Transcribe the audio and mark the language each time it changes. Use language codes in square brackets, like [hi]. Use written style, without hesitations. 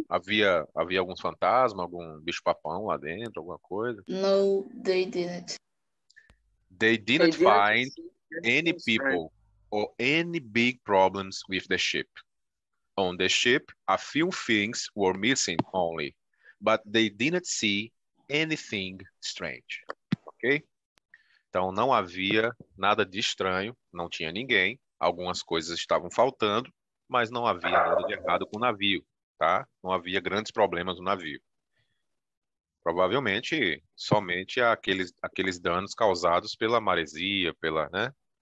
[pt] Havia alguns fantasmas, algum bicho papão lá dentro, alguma coisa? [en] No, they didn't. They didn't find any people or any big problems with the ship. On the ship, a few things were missing only, but they didn't see anything strange. Ok? [pt] Então, não havia nada de estranho, não tinha ninguém, algumas coisas estavam faltando, mas não havia nada de errado com o navio, tá? Não havia grandes problemas no navio. Provavelmente, somente aqueles danos causados pela maresia, pela, né?